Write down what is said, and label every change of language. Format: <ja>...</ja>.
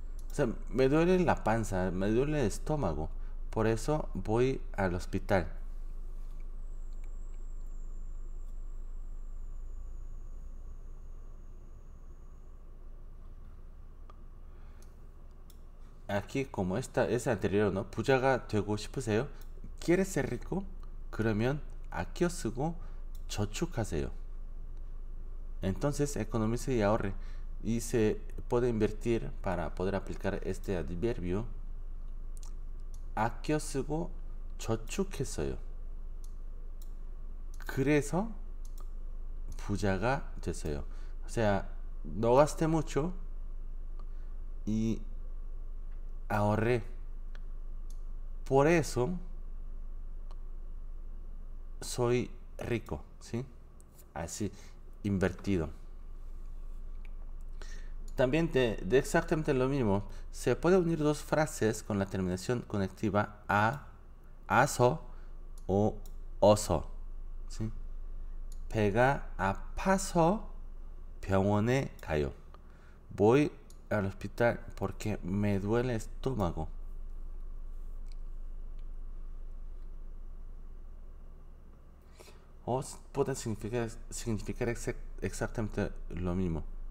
<es>O sea, me duele la panza, me duele el estómago. Por eso voy al hospital. Aquí, como esta es anterior, ¿no?</es> <ko>부자가 되고 싶으세요?</ko> <es>¿Quieres ser rico?</es> <ko>그러면 아껴 쓰고 저축하세요.</ko> <es>Entonces, economice y ahorre. Y se puede invertir para poder aplicar este adverbio. Aquí os digo, chochuque soy. Creso, puyaga, deseo. O sea, no gasté mucho y ahorré. Por eso, soy rico, ¿sí? Así, invertido. También de exactamente lo mismo, se puede unir dos frases con la terminación conectiva a aso o oso, ¿sí?</es> <ko>배가 아파서 병원에 가요.</ko> <es>Voy al hospital porque me duele el estómago. O puede significar exactamente lo mismo.</es>